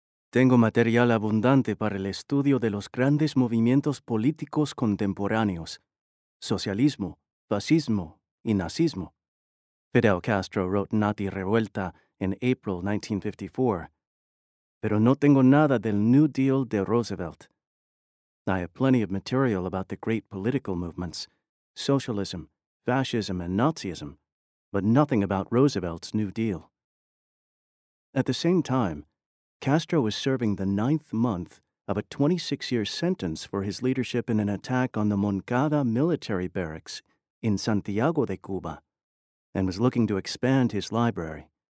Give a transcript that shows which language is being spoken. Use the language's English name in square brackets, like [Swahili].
[Spanish] Tengo material abundante para el estudio de los grandes movimientos políticos contemporáneos, socialismo, fascismo, y nazismo. [English] Fidel Castro wrote Nati Revuelta in April 1954. [Spanish] Pero no tengo nada del New Deal de Roosevelt. [English] I have plenty of material about the great political movements, socialism, fascism, and Nazism, but nothing about Roosevelt's New Deal. At the same time, Castro was serving the ninth month of a 26-year sentence for his leadership in an attack on the Moncada military barracks in Santiago de Cuba, and was looking to expand his library.